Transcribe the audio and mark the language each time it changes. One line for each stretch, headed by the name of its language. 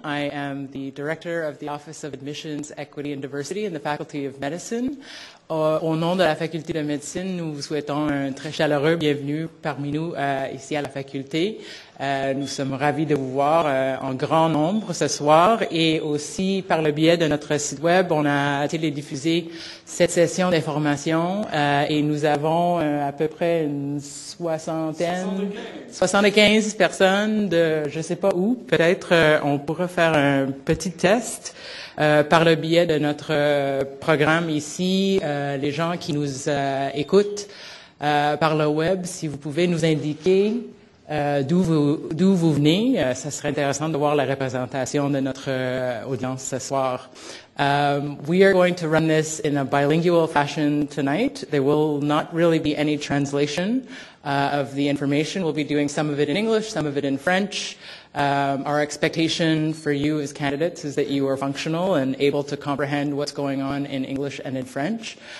English: I am the director of the Office of Admissions, Equity, and Diversity in the Faculty of Medicine.
French: Au nom de la Faculté de Médecine, nous vous souhaitons un très chaleureux bienvenue parmi nous ici à la Faculté. Nous sommes ravis de vous voir en grand nombre ce soir et aussi par le biais de notre site web, on a télédiffusé cette session d'information et nous avons à peu près une soixantaine, 75 personnes de je ne sais pas où, peut-être on pourrait faire un petit test. Par le biais de notre programme ici, les gens qui nous écoutent par le web, si vous pouvez nous indiquer d'où vous venez, ça serait intéressant de voir la représentation de notre audience ce soir.
English: We are going to run this in a bilingual fashion tonight. There will not really be any translation of the information. We'll be doing some of it in English, some of it in French. Our expectation for you as candidates is that you are functional and able to comprehend what's going on in English and in French.